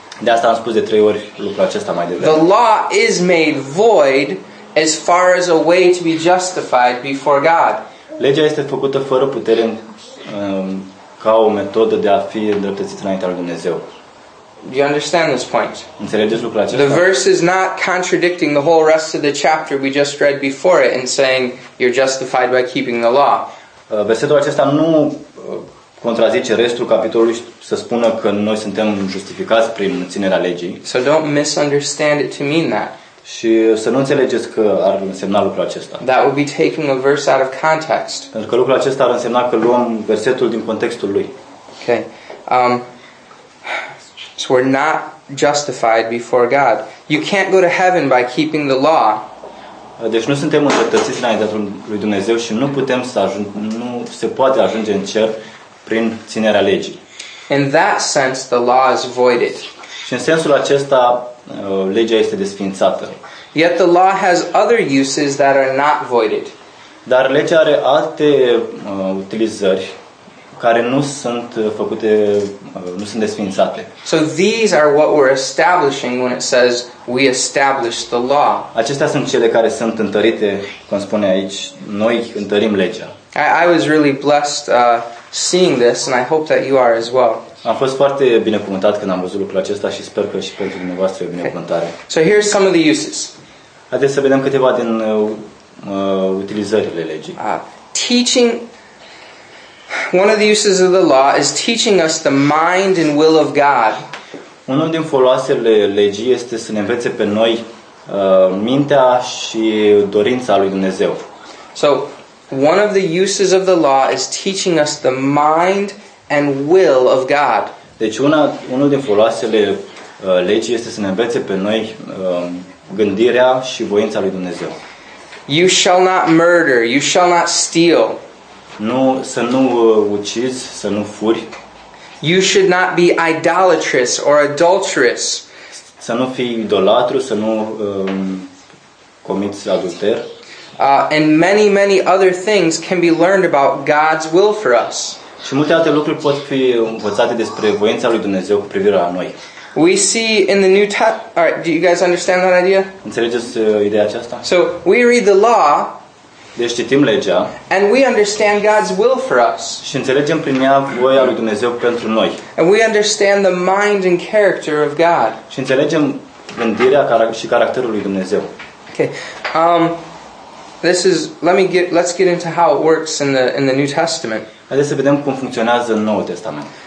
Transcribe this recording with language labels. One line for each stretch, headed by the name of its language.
Romanian: De asta am spus de trei ori lucrul acesta mai devreme.
English: The law is made void as far as a way to be justified before God.
Romanian: Legea este făcută fără putere ca o metodă de a fi îndreptățit înaintea lui Dumnezeu.
English: Do you understand this point?
Romanian: Înțelegeți lucrul acesta?
English: The verse is not contradicting the whole rest of the chapter we just read before it and saying you're justified by keeping the law.
Romanian: Versetul acesta nu contrazice restul capitolului să spună că noi suntem justificați prin ținerea legii.
English: So don't misunderstand it to mean that.
Romanian: Și să nu înțelegeți că ar însemna lucrul acesta.
English: That would be taking a verse out of context.
Romanian: Pentru că lucrul acesta ar însemna că luăm versetul din contextul lui.
English: Okay. So we're not justified before God. You can't go to heaven by keeping the law.
Romanian: Deci nu suntem îndreptățiți înaintea lui Dumnezeu și nu putem să nu se poate ajunge în cer prin ținerea legii.
English: In that sense, the law is voided.
Romanian: Și în sensul acesta, legea este desființată.
English: Yet the law has other uses that are not voided.
Romanian: Dar legea are alte utilizări care nu sunt făcute, nu sunt desfințate.
English: So these are what we're establishing when it says we establish the law.
Romanian: Acestea sunt cele care sunt întărite, cum spune aici, noi întărim legea.
English: I was really blessed seeing this and I hope that you are as well.
Romanian: Am fost foarte binecuvântat când am văzut lucrul acesta și sper că și pentru dumneavoastră e binecuvântare.
English: Okay. So here's some of the uses.
Romanian: Haideți să vedem câteva din utilizările legii.
English: Teaching. One of the uses of the law is teaching us the mind and will of God.
Romanian: Unul din foloasele legii este să ne învețe pe noi mintea și dorința lui Dumnezeu.
English: So, one of the uses of the law is teaching us the mind and will of God.
Romanian: Deci unul din foloasele legii este să ne învețe pe noi gândirea și voința lui Dumnezeu.
English: You shall not murder, you shall not steal.
Romanian: Nu, să nu ucizi, să nu furi.
English: You should not be idolatrous or adulterous.
Romanian: Să nu fii idolatru, să nu comiți adulter.
English: And many, many other things can be learned about God's will for us.
Romanian: Și multe alte lucruri pot fi învățate despre voința lui Dumnezeu cu privire la noi.
English: We see in the New Testament. All right, do you guys understand that idea?
Romanian: Înțelegeți ideea aceasta?
English: So, we read the law.
Romanian: Deci citim legea.
English: And we understand God's will for us.
Romanian: Și înțelegem prin ea voia lui Dumnezeu pentru noi.
English: And we understand the mind and character of God.
Romanian: Și înțelegem gândirea și caracterul lui Dumnezeu.
English: Okay. Let's get into how it works in the New Testament.
Romanian: Haideți să vedem cum funcționează în Noul Testament.